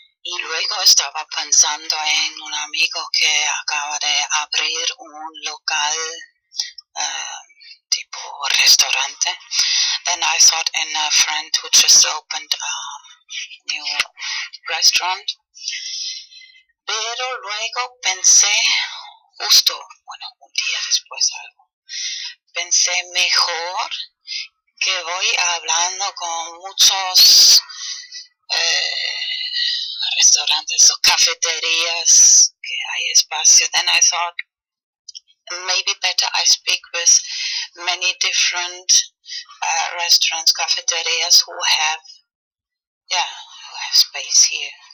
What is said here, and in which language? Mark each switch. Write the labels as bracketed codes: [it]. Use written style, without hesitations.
[es] Y luego estaba pensando en un amigo que acaba de abrir un local tipo restaurante. [en] Then I thought in a friend who just opened a new restaurant. [es] Pero luego pensé, justo, bueno, un día después algo, pensé mejor que voy hablando con muchos restaurantes o cafeterías que hay espacio. [en] Then I thought maybe better I speak with many different restaurants, cafeterias who have space here.